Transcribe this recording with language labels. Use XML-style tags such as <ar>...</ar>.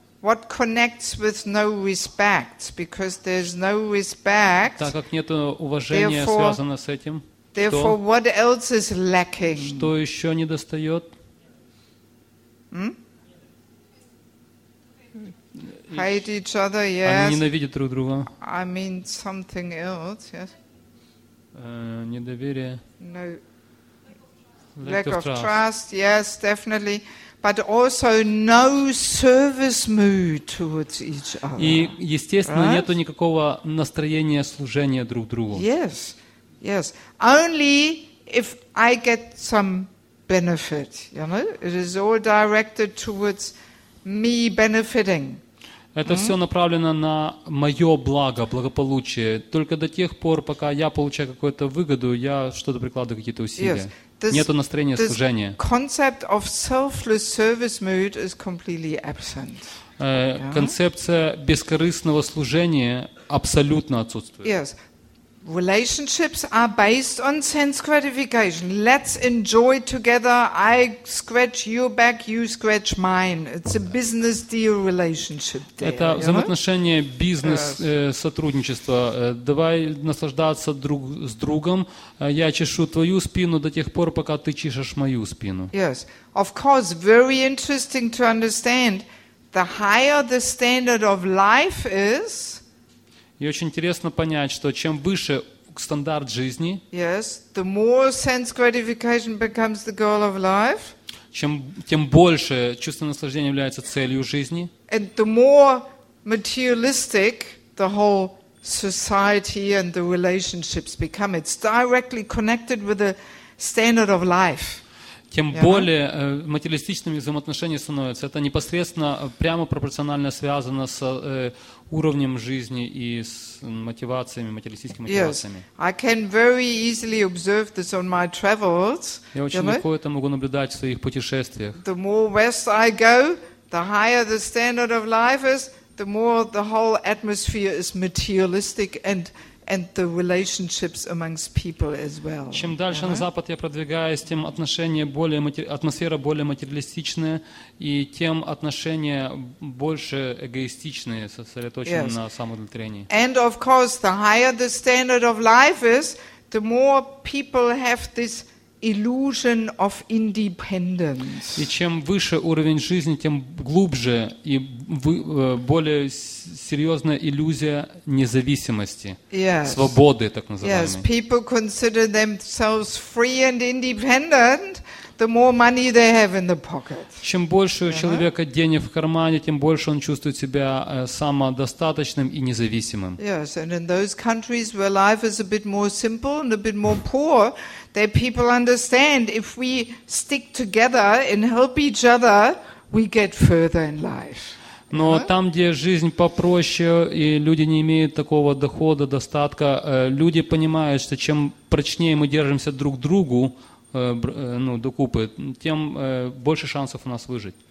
<en>What connects with no respect? Because there's no respect.</en> <ru>Так как нет уважения, связано с этим.</ru> <en>Therefore,</en> <ru>что?</ru> <en>What else is lacking?</en> <ru>Что еще недостает?</ru> <en>hate each other, yes.</en> <ru>Они ненавидят друг друга.</ru> <en>I mean something else, yes.</en> <ru>Недоверие.</ru> <en>No. Lack of trust, yes, definitely. But also no service mood towards each other.</en> <ru>И, естественно,</ru> <en>right?</en> <ru>Нету никакого настроения служения друг другу.</ru> <en>Yes, yes. Only if I get some benefit, you know? It is all directed towards me benefiting.</en> <ru>Это все направлено на мое благо, благополучие. Только до тех пор, пока я получаю какую-то выгоду, я что-то прикладываю, какие-то усилия.</ru> <en>Yes.</en> <ru>Нету настроения служения.</ru> <en>This concept of selfless service mood is completely absent.</en> <ru>Концепция бескорыстного служения абсолютно отсутствует.</ru> <en>Yes. Relationships are based on sense gratification. Let's enjoy together. I scratch your back, you scratch mine. It's a business deal relationship.</en> <ru>Это взаимоотношения бизнес сотрудничества. Давай наслаждаться друг с другом. Я чешу твою спину до тех пор, пока ты чешешь мою спину.</ru> <en>Yes, of course, very interesting to understand. The higher the standard of life is.</en> <ru>И очень интересно понять, что чем выше стандарт жизни,</ru> <en>yes, the more sense gratification becomes the goal of life,</en> <ru>тем больше чувство наслаждения является целью жизни,</ru> <en>and the more materialistic the whole society and the relationships become. It's directly connected with the standard of life.</en> <ru>Тем более материалистичными взаимоотношения становятся. Это непосредственно, прямо пропорционально связано с уровнем жизни и с мотивациями, материалистическими мотивациями.</ru> <en>Yes. I can very easily observe this on my travels.</en> <ru>Я очень легко это могу наблюдать в своих путешествиях.</ru> <en>The more west I go, the higher the standard of life is, the more the whole atmosphere is materialistic and the relationships amongst people as well.</en> <ru>Чем дальше на запад я продвигаюсь, тем отношения более атмосфера более материалистичная, и тем отношения больше эгоистичные, сосредоточены на самоудовлетворении.</ru> <en>And of course, the higher the standard of life is, the more people have this illusion of independence.</en> <ru>И чем выше уровень жизни, тем глубже и более серьезная иллюзия независимости,</ru> <en>yes.</en> <ru>Свободы, так называемой.</ru> <en>Yes, people consider themselves free and independent. The more money they have in the pocket.</en> <ru>Чем больше у человека денег в кармане, тем больше он чувствует себя самодостаточным и независимым.</ru> <en>Yes, and in those countries where life is a bit more simple and a bit more poor, there people understand if we stick together and help each other, we get further in life.</en> <ru>Но там, где жизнь попроще и люди не имеют такого дохода, достатка, люди понимают, что чем прочнее мы держимся друг другу, ну, докупы, тем больше шансов у нас выжить.</ru>